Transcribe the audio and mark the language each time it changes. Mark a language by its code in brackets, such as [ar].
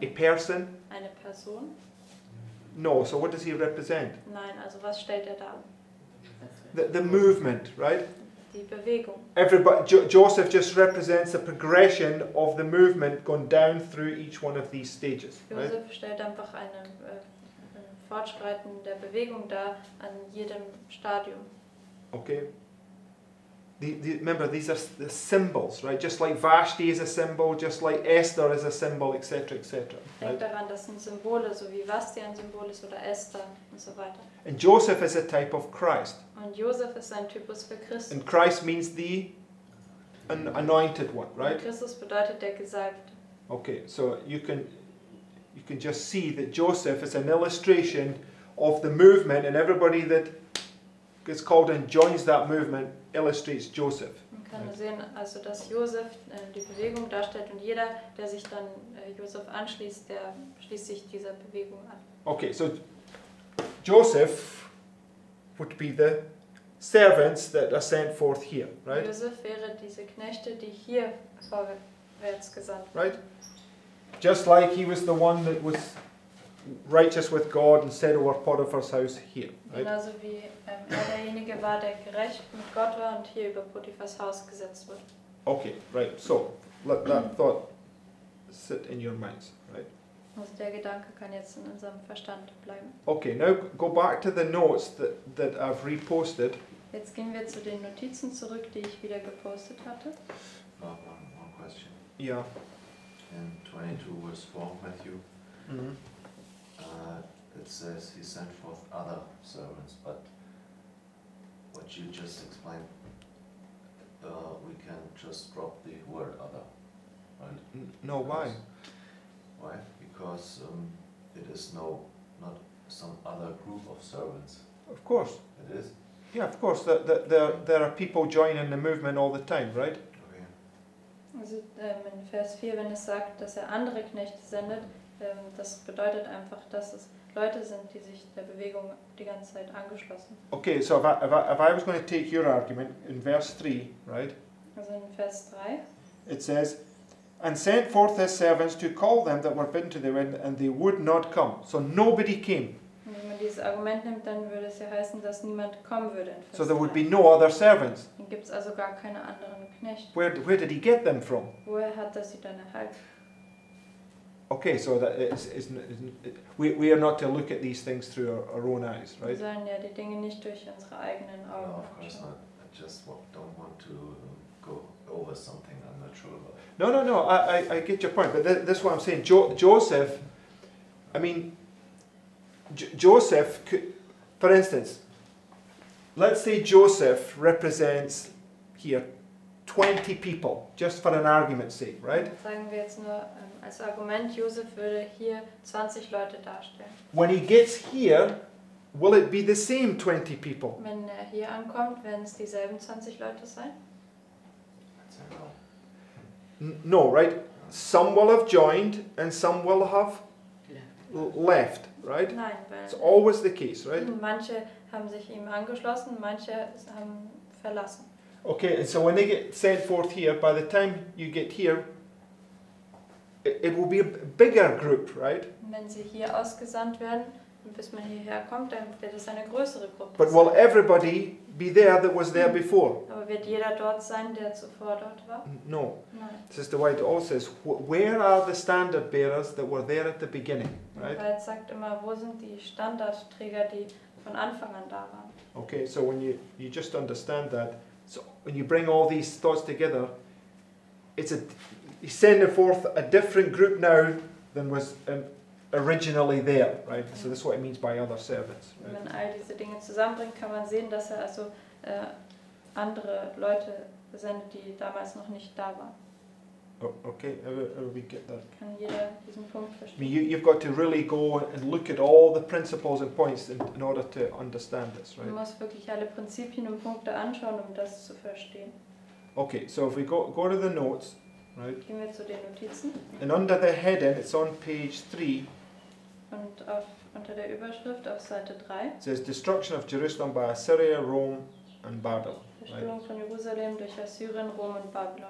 [en] A person. [de] Eine Person. [en] No, so what does he represent? [de] Nein, also was stellt er da? [en] The movement, right? [de] Die Bewegung. [en] Everybody, Joseph just represents the progression of the movement going down through each one of these stages. [de] Joseph stellt einfach eine Fortschreiten der Bewegung dar an jedem Stadium. [en] Okay. Remember, these are the symbols, right? Just like Vashti is a symbol, just like Esther is a symbol, etc., etc. [de] Denk daran, das sind Symbole, so wie Vashti ein Symbol ist oder Esther und so weiter. [en] And Joseph is a type of Christ. [de] Und Joseph ist ein Typus für Christus. [en] And Christ means the anointed one, right? [de] Und Christus bedeutet der Gesalbte. [en] Okay, so you can just see that Joseph is an illustration of the movement, and everybody that gets called and joins that movement illustrates Joseph. [de] Man kann sehen, also dass Joseph die Bewegung darstellt und jeder, der sich dann Joseph anschließt, der schließt sich dieser Bewegung an. [en] Okay, so Joseph would be the servants that are sent forth here, right? [de] Joseph wäre diese Knechte, die hier vorwärts gesandt werden. Right? [en] Just like he was the one that was righteous with God and said over Potiphar's house here. Right? [de] Genauso wie er derjenige war, der gerecht mit Gott war und hier über Potiphar's Haus gesetzt wurde. [en] Okay, right. So, let that thought sit in your minds, right? [de] Also der Gedanke kann jetzt in unserem Verstand bleiben. [en] Okay, now go back to the notes that I've reposted. [de] Jetzt gehen wir zu den Notizen zurück, die ich wieder gepostet hatte. [en] One question. Yeah. In 22 verse 4, Matthew. Mm-hmm. It says he sent forth other servants, but what you just explained, we can just drop the word other, right? No, why? Why? Because it is not some other group of servants. Of course. It is? Yeah, of course. There are people joining the movement all the time, right? Okay. [de] Also in Vers 4, wenn es sagt, dass er andere Knechte sendet, das bedeutet einfach, dass es Leute sind, die sich der Bewegung die ganze Zeit angeschlossen. [en] Okay, so if I was going to take your argument in verse 3, right? [de] Also in Vers 3. [en] It says, and sent forth his servants to call them that were bidden to them, and they would not come. So nobody came. [de] Und wenn man dieses Argument nimmt, dann würde es ja heißen, dass niemand kommen würde. [en] So there would be no other servants. [de] Dann gibt es also gar keine anderen Knechte. [en] Where did he get them from? [de] Woher hat er sie dann erhalten? [en] Okay, so that we are not to look at these things through our own eyes, right? [de] Wir sollen ja die Dinge nicht durch unsere eigenen Augen. [en] No, of course not. I just don't want to go over something I'm not sure about. No. I get your point, but this is what I'm saying. Joseph, I mean, Joseph could, for instance, let's say Joseph represents here 20 people, just for an argument's sake, right? [de] Sagen wir jetzt nur als Argument, Joseph würde hier 20 Leute darstellen. [en] When he gets here, will it be the same 20 people? [de] Wenn er hier ankommt, werden es dieselben 20 Leute sein? [en] No, right? Some will have joined and some will have left, right? [de] Nein, weil [en] it's always the case, right? [de] Manche haben sich ihm angeschlossen, manche haben verlassen. [en] Okay, and so when they get sent forth here, by the time you get here, it will be a bigger group, right? [de] Wenn sie hier ausgesandt werden, bis man hierher kommt, dann wird es eine größere Gruppe. [en] But will everybody be there that was there before? [de] Aber wird jeder dort sein, der zuvor dort war? [en] No. [de] Nein. [en] Sister White also says, where are the standard bearers that were there at the beginning, right? [de] Weil es sagt immer, wo sind die Standardträger, die von Anfang an da waren? [en] Okay, so when you just understand that. So when you bring all these thoughts together, he's sending forth a different group now than was originally there, right? So that's what it means by other servants. Right? [de] Wenn all diese Dinge zusammenbringt, kann man sehen, dass er also andere Leute sendet, die damals noch nicht da waren. [en] Oh, okay, everybody get that. [de] Kann jeder diesen Punkt verstehen? [en] I mean, you've got to really go and look at all the principles and points in order to understand this, right? [de] Du musst wirklich alle Prinzipien und Punkte anschauen, um das zu verstehen. [en] Okay, so if we go to the notes, right? [de] Gehen wir zu den Notizen. [en] And under the heading, it's on page 3. [de] Und auf unter der Überschrift auf Seite 3. [en] It says destruction of Jerusalem by Assyria, Rome and Babylon. Right. [de] Von Jerusalem durch Assyrien, Rom und Babylon.